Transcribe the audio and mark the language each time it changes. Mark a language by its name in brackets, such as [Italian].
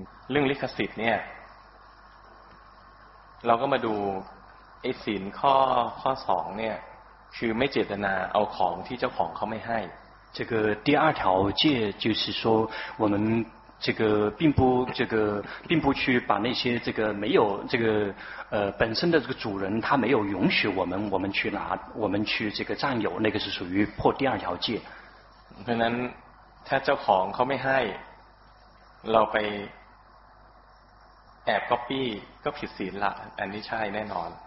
[Thai] เรื่องลิขสิทธิ์เนี่ยเราก็มาดูไอ้ศีลข้อ2เนี่ยคือไม่เจตนาเอาของที่เจ้าของเขาไม่ให้ [Chinese] 这个第二条戒就是说我们这个并不去把那些这个没有这个本身的这个主人他没有允许我们去拿我们去这个占有那个是属于破第二条戒。可能他 [Thai] เจ้าของเขาไม่ให้เราไปแอบก๊อปปี้ก็ผิดศีลละอันนี้ใช่แน่นอน。